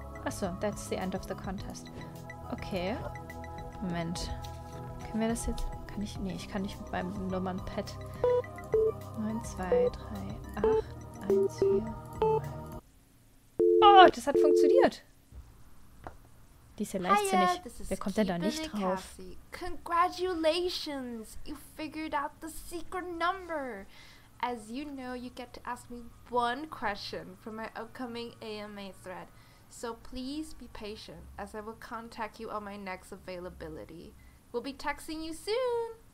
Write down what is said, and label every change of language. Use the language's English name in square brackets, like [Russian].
[German] Achso, [English] that's the end of the contest. [German] Okay. Moment. Können wir das jetzt... Kann ich... Nee, ich kann nicht mit meinem Nummernpad. 9, 2, 3, 8, 1, 4. Oh, das hat funktioniert. Die ist ja leichtsinnig. Wer kommt denn da nicht drauf? [English] Congratulations! You figured out the secret number! As you know, you get to ask me one question for my upcoming AMA thread. So please be patient, as I will contact you on my next availability. We'll be texting you soon!